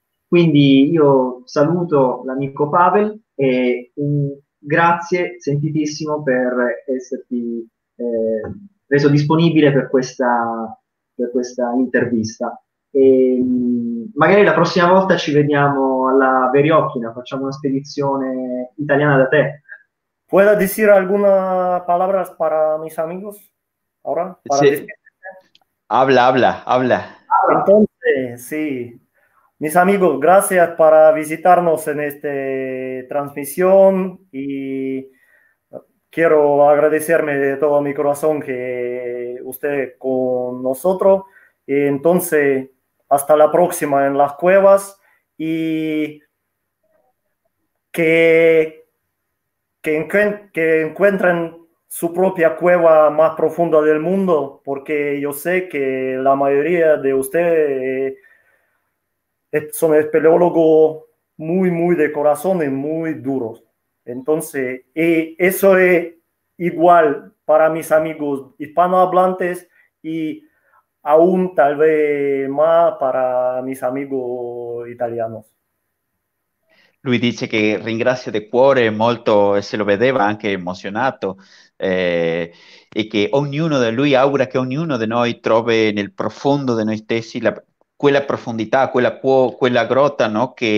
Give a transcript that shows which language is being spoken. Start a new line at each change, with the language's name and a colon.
Italian: Quindi io saluto l'amico Pavel e grazie sentitissimo per esserti reso disponibile per questa intervista. E magari la prossima volta ci vediamo alla Veriocchina, facciamo una spedizione italiana da te.
Spanish: ¿Puedo decir algunas palabras para mis amigos ahora? Para sí. Habla. Entonces, sí. Mis amigos, gracias por visitarnos en esta transmisión y quiero agradecerme de todo mi corazón que usted con nosotros. Entonces, hasta la próxima en las cuevas y que encuentren su propia cueva más profunda del mundo, porque yo sé que la mayoría de ustedes son espeleólogos muy, muy de corazón y muy duros. Entonces, y eso es igual para mis amigos hispanohablantes y aún tal vez más para mis amigos italianos.
Italian: Lui dice che ringrazia di cuore molto, e se lo vedeva anche emozionato, e che ognuno di lui augura che ognuno di noi trovi nel profondo di noi stessi quella profondità, quella grotta, no?